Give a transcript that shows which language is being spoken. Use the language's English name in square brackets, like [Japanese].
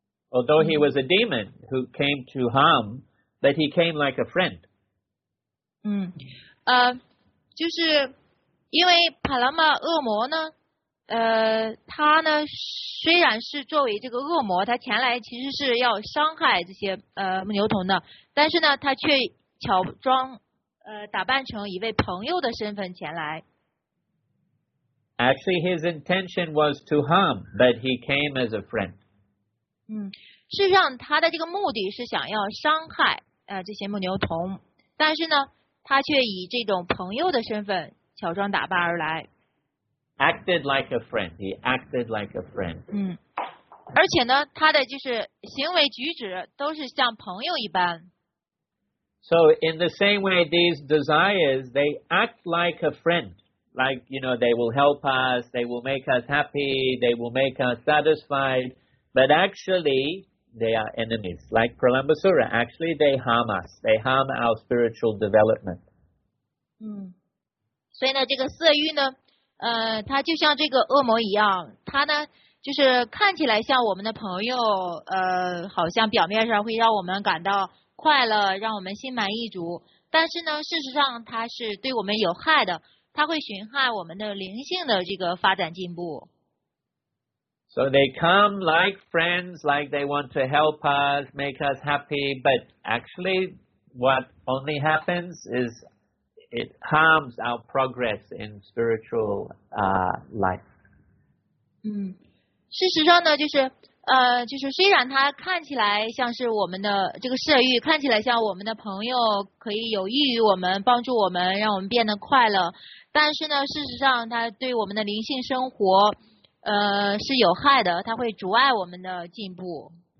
[English] Although he was a demon who came to harm, but he came like a friend. [Chinese] 就是因为帕拉玛恶魔呢，他呢虽然是作为这个恶魔，他前来其实是要伤害这些牧牛童的，但是呢，他却乔装打扮成一位朋友的身份前来。 [English] Actually, his intention was to harm, but he came as a friend. [Chinese] 事实上，他的这个目的是想要伤害这些牧牛童，但是呢。他却以这种朋友的身份乔装打扮而来。 [English] Acted like a friend. He acted like a friend. [Chinese] 而且呢，他的就是行为举止都是像朋友一般。 [English] So in the same way, these desires, they act like a friend. Like, you know, they will help us, they will make us happy, they will make us satisfied. But actually, they are enemies, like Pralambasura. Actually, they harm us. They harm our spiritual development. [Chinese] 所以呢，这个色欲呢，它就像这个恶魔一样，它呢，就是看起来像我们的朋友，好像表面上会让我们感到快乐，让我们心满意足，但是呢，事实上它是对我们有害的，它会损害我们的灵性的这个发展进步。 [English] So they come like friends, like they want to help us, make us happy, but actually what only happens is it harms our progress in spiritual life. [Chinese] 事实上呢，就是就是虽然他看起来像是我们的这个色欲，看起来像我们的朋友，可以有益于我们，帮助我们，让我们变得快乐，但是呢，事实上他对我们的灵性生活是有害的，它会阻碍我们的进步。